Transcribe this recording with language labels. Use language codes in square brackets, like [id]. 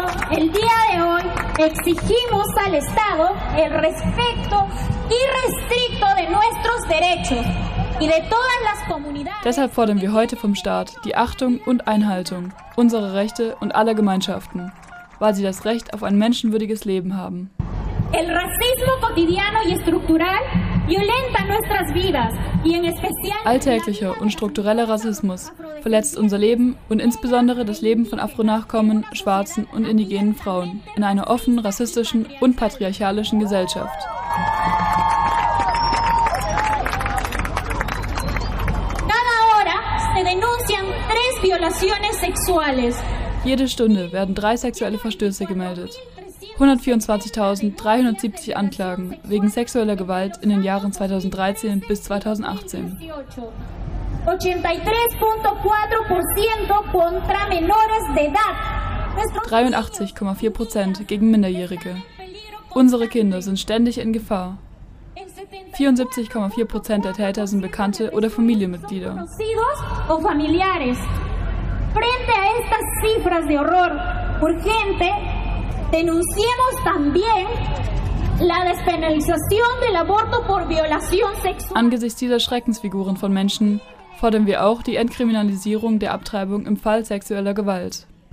[es] El día de hoy exigimos al Estado el respeto irrestricto de nuestros derechos y de todas las comunidades. [de] Deshalb fordern wir heute vom Staat die Achtung und Einhaltung unserer Rechte und aller Gemeinschaften, weil sie das Recht auf ein menschenwürdiges Leben haben. [es] El racismo cotidiano y estructural violenta nuestras vidas y en especial. [de] Alltäglicher und struktureller Rassismus verletzt unser Leben und insbesondere das Leben von Afro-Nachkommen, schwarzen und indigenen Frauen in einer offen rassistischen und patriarchalischen Gesellschaft. [es] Cada hora se denuncian tres violaciones sexuales. [de] Jede Stunde werden drei sexuelle Verstöße gemeldet. 124.370 Anklagen wegen sexueller Gewalt in den Jahren 2013 bis 2018. [es] 83,4% contra menores de edad. [de] 83,4% gegen Minderjährige. Unsere Kinder sind ständig in Gefahr. 74,4% der Täter sind Bekannte oder Familienmitglieder. [es] Frente a estas cifras de horror, urgente, denunciemos también La despenalización del aborto por violación sexual. [de] Angesichts dieser Schreckensfiguren von Menschen fordern wir auch die Entkriminalisierung der Abtreibung im Fall sexueller Gewalt.